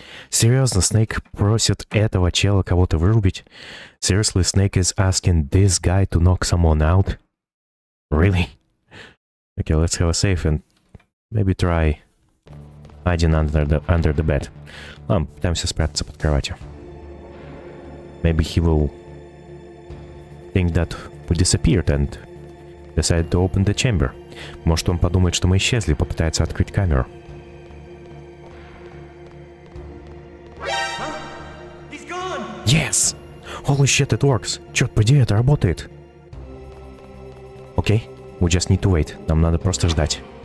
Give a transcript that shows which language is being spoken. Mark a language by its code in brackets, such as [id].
[ru] Seriously, Snake просит этого чела кого-то вырубить? [en] Seriously, Snake is asking this guy to knock someone out? Really? Okay, let's have a safe and maybe try hiding under the bed. [ru] Ладно, пытаемся спрятаться под кроватью. [en] Maybe he will think that we disappeared and decided to open the chamber. [ru] Может, он подумает, что мы исчезли, попытается открыть камеру. [en] Yes! Holy shit, it works! [ru] Черт поди, это работает! [en] Okay, we just need to wait. [ru] Нам надо просто ждать.